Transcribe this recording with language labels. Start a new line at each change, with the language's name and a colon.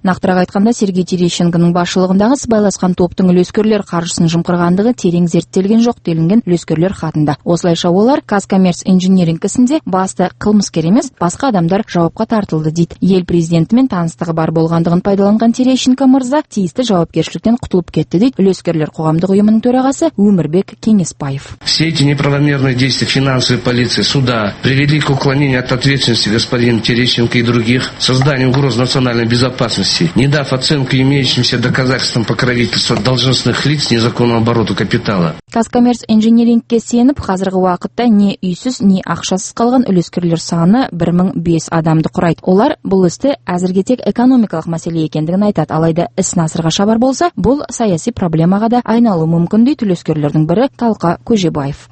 Kazakh: Нақтырақ айтқан Сергей Терещенконың басшылығындағы сыбайласқан топтың үлескерлер қаржысын жымқырғандығы терең зерттелген жоқ делінген үлескерлер хатында. Осылайша олар Қазкоммерц инжиниринг ісінде басты қылмыскер емес, басқа адамдар жауапқа тартылды дейді. Ел президентімен таныстығы бар болғандығын пайдаланған Терещенко мырза тиісті жауапкершіліктен құтылып кетті дейді үлескерлер қоғамдық ұйымының төрағасы Өмірбек Кеңесбаев.
Russian: Все эти неправомерные действия финансовой полиции, суда привели к уклонению от ответственности господина Терещенко и других, созданию угроз национальной безопасности. Дав оценку имеющимся доказательствам покровительства должностных лиц незаконного оборота капитала.
Kazakh: Қазкоммерц инжинирингке сеніп, қазіргі уақытта не үйсіз, не ақшасыз қалған үлескерлер саны 1005 адамды құрайды. Олар бұл істі әзірге тек экономикалық мәселе екендігін айтады. Алайда іс насырға шабар болса, бұл саяси проблемаға да айналуы мүмкін дейді үлескерлердің бірі Талқа Көжебаев.